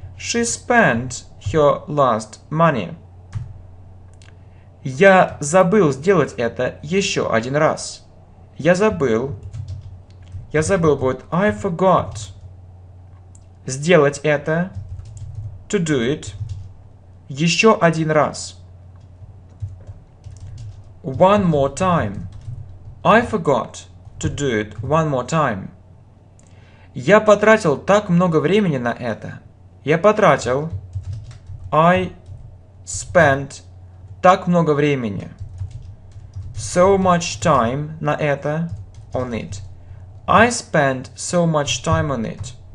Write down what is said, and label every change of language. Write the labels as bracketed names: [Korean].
[English] She spent her last money. [Russian] Я забыл сделать это еще один раз. Я забыл. Я забыл будет. [English] I forgot. [Russian] Сделать это. [English] To do it. [Russian] Еще один раз. [English] One more time. I forgot to do it one more time. [Russian] Я потратил так много времени на это. Я потратил. [English] I spent [Russian] так много времени. [English] So much time [Russian] на это. [English] On it. I spent so much time on it.